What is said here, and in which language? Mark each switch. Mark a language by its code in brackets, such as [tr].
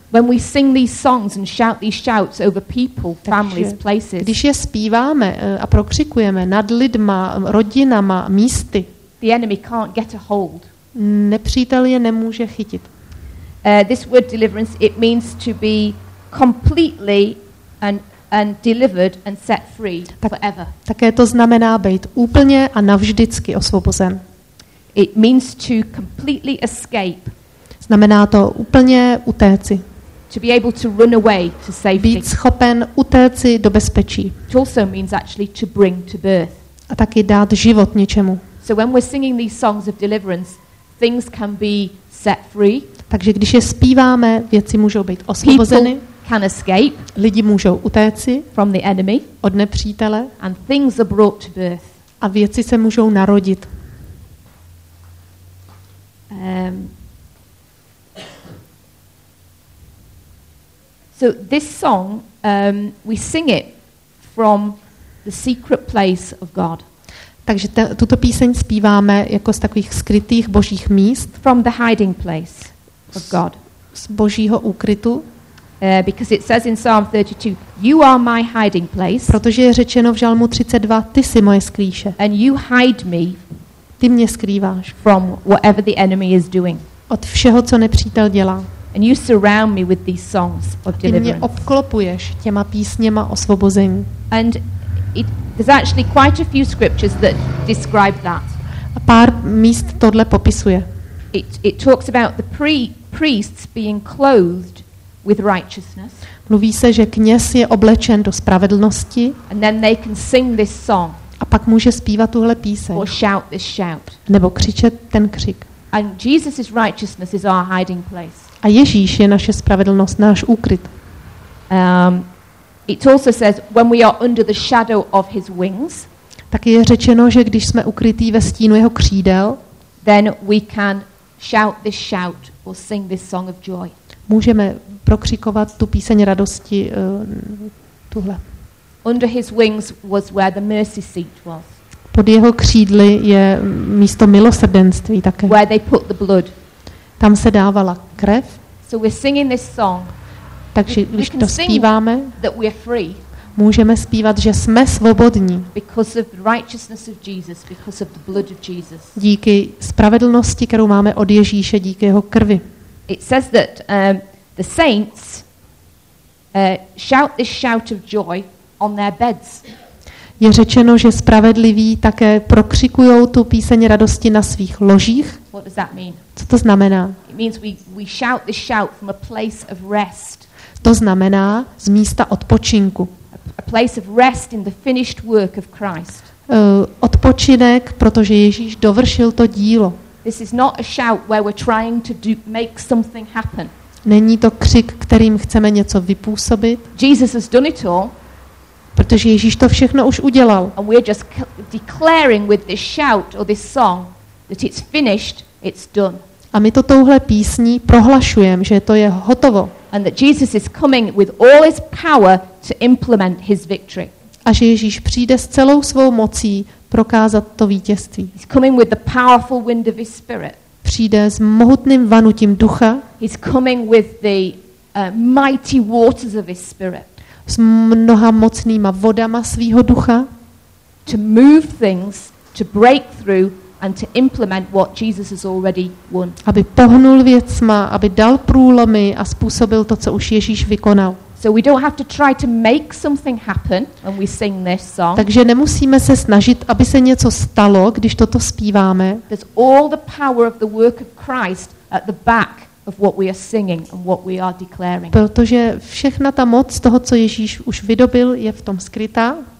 [en] When we sing these songs and shout these shouts over people, families, places. [cs] Když je zpíváme a prokřikujeme nad lidma, rodinama, místy. [en] The enemy can't get a hold. [cs] Nepřítel je nemůže chytit. [en] This word deliverance, it means to be completely and delivered and set free forever. [cs] Také to znamená být úplně a navždycky osvobozen. [en] It means to completely escape. [cs] Znamená to úplně utéci. [en] To be able to run away to safety. [cs] Být schopen utéci do bezpečí. [en] It also means actually to bring to birth. [cs] A taky dát život něčemu. [en] So when we're singing these songs of deliverance, things can be set free. [cs] Takže když je zpíváme, věci můžou být osvobozeny. [en] People can escape. [cs] Lidi můžou utéci [en] from the enemy. [cs] Od nepřítele. [en] And things are brought to birth. [cs] A věci se můžou narodit. [en] So this song, we sing it from the secret place of God. [cs] Takže tuto píseň zpíváme jako z takových skrytých božích míst. [en] From the hiding place of God. [cs] Z božího úkrytu. [en] Because it says in Psalm 32, you are my hiding place. [cs] Protože je řečeno v žalmu 32, ty jsi moje skrýše. [en] And you hide me. [cs] Ty mě skrýváš. [en] From whatever the enemy is doing. [cs] Od všeho, co nepřítel dělá. [en] And you surround me with these songs of deliverance. [cs] Ty mě obklopuješ těma písněma osvobození. [en] And it, there's actually quite a few scriptures that describe that. [cs] A pár míst tohle popisuje. [en] It talks about the priests being clothed with righteousness. [cs] Mluví se, že kněz je oblečen do spravedlnosti. [en] And then they can sing this song. [cs] A pak může zpívat tuhle píseň. [en] Or shout this shout. [cs] Nebo křičet ten křik. [en] And Jesus's righteousness is our hiding place. [cs] A Ježíš je naše spravedlnost, náš úkryt. [en] It also says when we are under the shadow of his wings. [cs] Tak je řečeno, že když jsme ukrytí ve stínu jeho křídel, [en] then we can shout this shout or sing this song of joy. [cs] Můžeme prokřikovat tu píseň radosti tuhle. [en] Under his wings was where the mercy seat was. [cs] Pod jeho křídly je místo milosrdenství také. [en] Where they put the blood. [cs] Tam se dávala krev. [en] So we're singing this song. [cs] Takže když to zpíváme, [en] that we're free. [cs] Můžeme zpívat, že jsme svobodní. [en] Because of the righteousness of Jesus, because of the blood of Jesus. [cs] Díky spravedlnosti, kterou máme od Ježíše, díky jeho krvi. [en] It says that the saints shout this shout of joy on their beds. [cs] Je řečeno, že spravedliví také prokřikují tu píseň radosti na svých ložích. [en] What does that mean? [cs] Co to znamená? [en] It means we shout this shout from a place of rest. [cs] To znamená z místa odpočinku. [en] A place of rest in the finished work of Christ. [cs] Odpočinek, protože Ježíš dovršil to dílo. [en] This is not a shout where we're trying to do, make something happen. [cs] Není to křik, kterým chceme něco vypůsobit. [en] Jesus has done it all. [cs] Protože Ježíš to všechno už udělal. [en] And we're just declaring with this shout or this song that it's finished, it's done. [cs] A my to touhle písní prohlašujeme, že to je hotovo. [en] And that Jesus is coming with all his power to implement his victory. [cs] A že Ježíš přijde s celou svou mocí prokázat to vítězství. [en] He's coming with the powerful wind of his spirit. [cs] Přijde s mohutným vanutím ducha. [en] He's coming with the mighty waters of his spirit. [cs] S mnoha mocnýma vodama svýho ducha. [en] To move things, to break through and to implement what Jesus has already won. [cs] Aby pohnul věcma, aby dal průlomy a způsobil to, co už Ježíš vykonal. [en] So we don't have to try to make something happen when we sing this song. [cs] Takže nemusíme se snažit, aby se něco stalo, když toto zpíváme. [en] There's all the power of the work of Christ at the back of what we are singing and what we are declaring. [cs] Protože všechna ta moc toho, co Ježíš už vydobil, je v tom skrytá.